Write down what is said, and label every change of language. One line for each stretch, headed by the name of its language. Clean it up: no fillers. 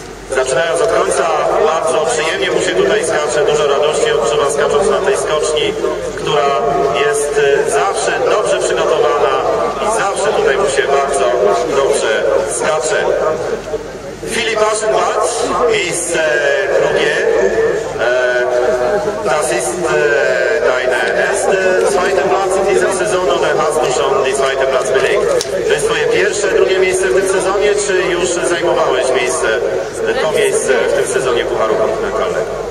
Polish: Zaczynając od końca, bardzo przyjemnie mu się tutaj skacze, dużo radości odczuwa skacząc na tej skoczni, która jest zawsze dobrze przygotowana i zawsze tutaj mu się bardzo dobrze skacze. Filip Aschenbach, miejsce drugie.
German: Das ist deine erste, zweite Platz in diesem Saison oder hast du schon die zweite Platz belegt?
Polish: To jest twoje pierwsze, drugie miejsce w tym sezonie, czy już zajmowałeś miejsce, to miejsce w tym sezonie Pucharu Kontynentalnego?